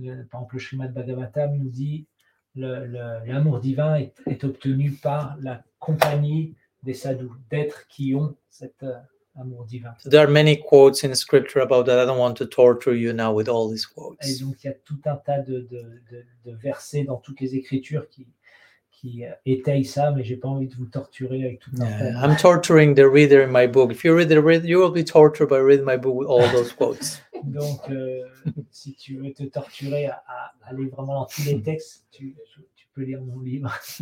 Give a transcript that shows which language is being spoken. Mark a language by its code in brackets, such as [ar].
[fr] Par exemple, le Srimad Bhagavatam nous dit l'amour divin est obtenu par la compagnie des sadhus, d'êtres qui ont cet amour divin. [en] So there are many quotes in scripture about that. I don't want to torture you now with all these quotes. [fr] Et donc, il y a tout un tas de versets dans toutes les écritures qui étayent ça, mais je n'ai pas envie de vous torturer avec tout un tas. [en] I'm torturing the reader in my book. If you read the reader, you will be tortured by reading my book with all those quotes. [fr] Donc, si tu veux te torturer à aller vraiment dans tous les textes, tu peux lire mon livre.